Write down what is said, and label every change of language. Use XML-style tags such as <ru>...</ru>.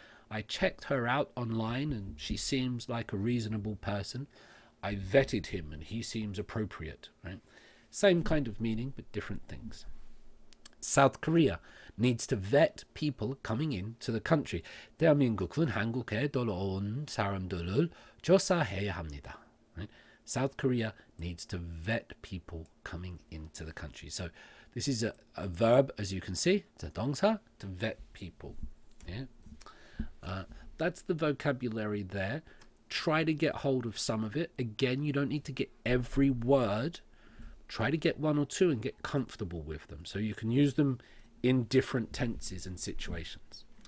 <en>I checked her out online and she seems like a reasonable person. I vetted him and he seems appropriate, right? Same kind of meaning, but different things. South Korea needs to vet people coming into the country.</en> <ko>대한민국은 한국에 들어온 사람들을 조사해야 합니다.</ko> <en>South Korea needs to vet people coming into the country. So this is a verb, as you can see. It's a 동사, to vet people. Yeah. That's the vocabulary there. Try to get hold of some of it. Again, you don't need to get every word. Try to get one or two and get comfortable with them so you can use them in different tenses and situations.</en>